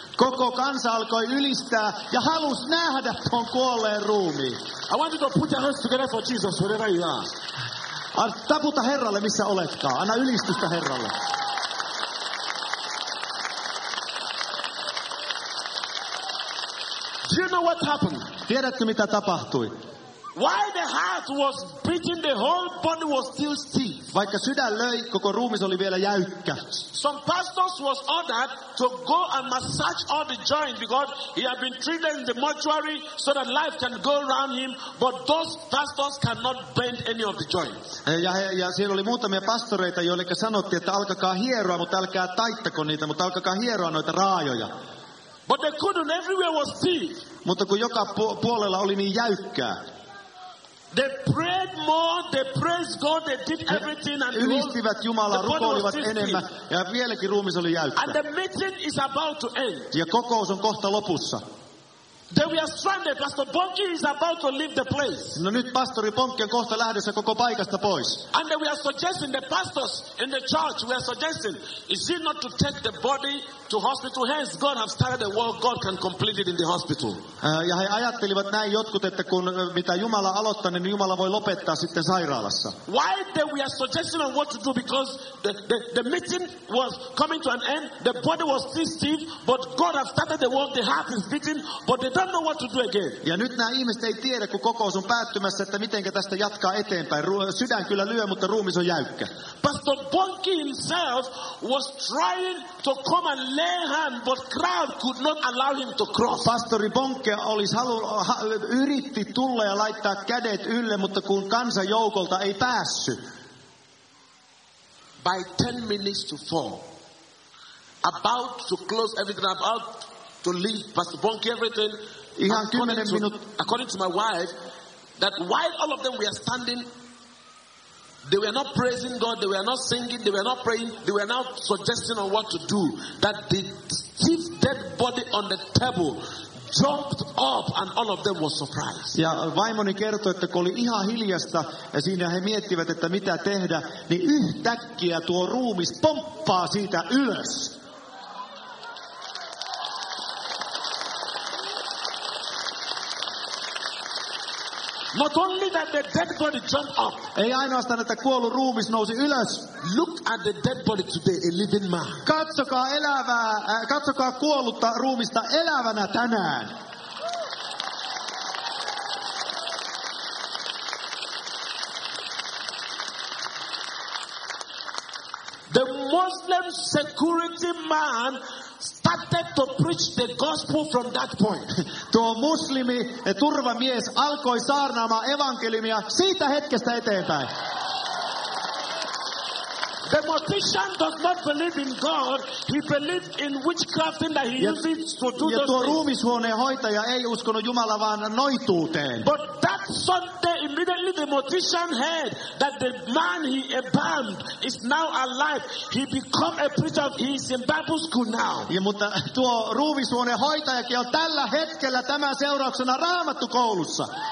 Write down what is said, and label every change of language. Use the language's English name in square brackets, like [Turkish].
[Finnish] Koko kansa alkoi ylistää ja halusi nähdä tuon kuolleen ruumiin. [English] I want you to put your hands together for Jesus wherever you are. [Finnish] Taputa Herralle missä oletkaan. Anna ylistystä Herralle. [English] Do you know what happened? [Finnish] Tiedätkö mitä tapahtui? [English] Why the heart was beating, the whole body was still stiff. [Finnish] Vaikka sydän löi, koko ruumis oli vielä jäykkä. [English] Some pastors was ordered to go and massage all the joints because he had been treated in the mortuary so that life can go around him, but those pastors cannot bend any of the joints. [Finnish] Ja siellä oli muutamia pastoreita, joille sanottiin, että alkakaa hieroa, mutta älkää taittako niitä, mutta alkakaa hieroa noita raajoja. [English] But they couldn't, everywhere was stiff. [Finnish] Mutta kun joka puolella oli niin jäykkää. [English] They prayed more, they praised God, they did everything and [Finnish] ylistivät Jumalaa, rukoilivat enemmän ja vieläkin ruumis oli jäykkä. [English] And the meeting is about to end. [Finnish] Ja kokous on kohta lopussa. [English] Then we are stranded. Pastor Bonke is about to leave the place. [Finnish] No nyt pastori Bonke on kohta lähdössä koko paikasta pois. [English] And then we are suggesting the pastors in the church. We are suggesting, is it not to take the body to hospital? Hence, God has started a work. God can complete it in the hospital. [Finnish] Ja he ajattelivat näin jotkut, että kun mitä Jumala aloittaa, niin Jumala voi lopettaa sitten sairaalassa. [English] Why then we are suggesting on what to do? Because the meeting was coming to an end. The body was still stiff, but God has started the work. The heart is beating, but the don't know what to do again. [Finnish] Ja nyt nämä ihmiset ei tiedä, kun kokous on päättymässä, että mitenkä tästä jatkaa eteenpäin. Sydän kyllä lyö, mutta ruumis on jäykkä. [English] Pastor Bonke himself was trying to come and lay hand, but crowd could not allow him to cross. [Finnish] Pastori Bonke olisi yritti tulla ja laittaa kädet ylle, mutta kun kansan joukolta ei päässyt. [English] By 4:10, about to close everything, about to leave Pastor Bonke everything. [Finnish] Ihan 10 minuutin. [English] According to my wife, that while all of them were standing, they were not praising God, they were not singing, they were not praying, they were not suggesting on what to do. That the stiff dead body on the table jumped up and all of them were surprised. [Finnish] Ja vaimoni kertoi, että kun oli ihan hiljasta ja siinä he miettivät, että mitä tehdä, niin yhtäkkiä tuo ruumis pomppaa siitä ylös. [English] Not only that the dead body jumped up. [Finnish] Ei ainoastaan, että kuollut ruumis nousi ylös. [English] Look at the dead body today, a living man. [Finnish] Katsokaa elävää, katsokaa kuollutta ruumista elävänä tänään. [English] The Muslim security man started to preach the gospel from that point. [Finnish] Tuo muslimi turvamies alkoi saarnaamaan evankeliumia siitä hetkestä eteenpäin. [English] The magician does not believe in God. He believes in witchcraft that he uses to do [Finnish] the. Ja tuo ruumishuoneen hoitaja ei uskonut Jumalaa vaan noituuteen. [English] But that Sunday, immediately the magician heard that the man he embalmed is now alive. He became a preacher. He is in Bible school now. [Finnish] Ja mutta tuo ruumishuoneen hoitajakin on tällä hetkellä tämän seurauksena Raamattukoulussa.